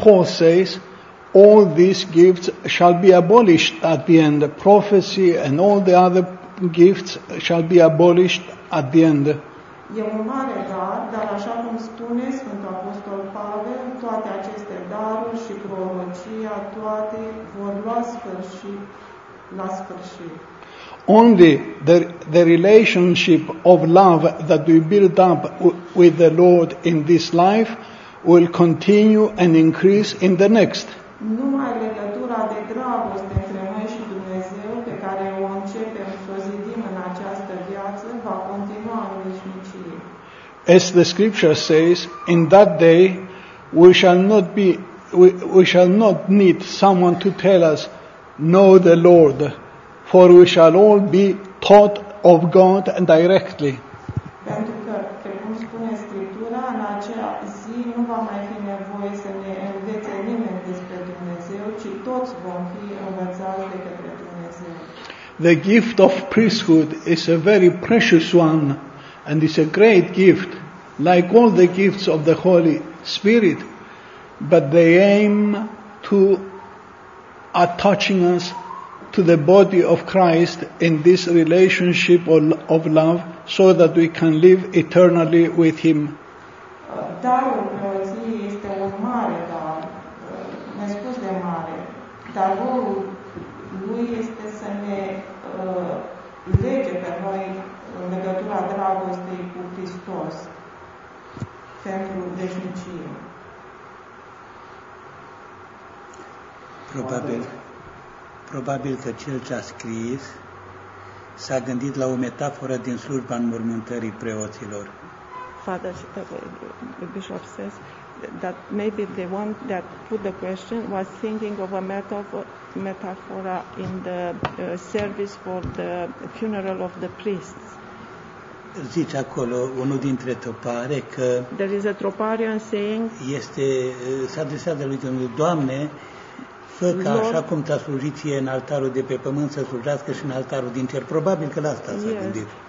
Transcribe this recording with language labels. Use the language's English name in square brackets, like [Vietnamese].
[English] Paul says, all these gifts shall be abolished at the end. Prophecy and all the other gifts shall be abolished at the end. [Romanian] E un mare dar, dar așa cum spune Sfântul Apostol Pavel, toate aceste daruri și prorocia, toate vor lua sfârșit la sfârșit. [English] Only the relationship of love that we build up with the Lord in this life will continue and increase in the next. [Romanian] Numai legătura de dragoste între noi și Dumnezeu pe care o începem să o zidim în această viață va continua în veșnicie. [English] As the scripture says, in that day we shall not need someone to tell us know the Lord, for we shall all be taught of God and directly. [Romanian] Pentru că, precum spune Scriptura, în acea zi nu va mai fi nevoie să ne învețe nimeni despre Dumnezeu, ci toți vom fi învățați de către Dumnezeu. [English] The gift of priesthood is a very precious one. And it's a great gift, like all the gifts of the Holy Spirit, but they aim to attaching us to the body of Christ in this relationship of love, so that we can live eternally with Him. [Romanian] Darul preoției este un mare dar, nespus de mare, dar rolul lui este să ne lege pe noi în legătura dragostei cu Hristos pentru veșnicie. Probabil că cel ce a scris s-a gândit la o metaforă din slujba înmormântării preoților. [English] Father Bishop says that maybe the one that put the question was thinking of a metaphor in the service for the funeral of the priests. [Romanian] Zice acolo unul dintre tropare că [English] there is a troparian saying [Romanian] este s-a adresat de lui Dumnezeu, Doamne, fă ca așa cum ți-a slujit ție în altarul de pe pământ să slujească și în altarul din cer. Probabil că la asta s-a gândit.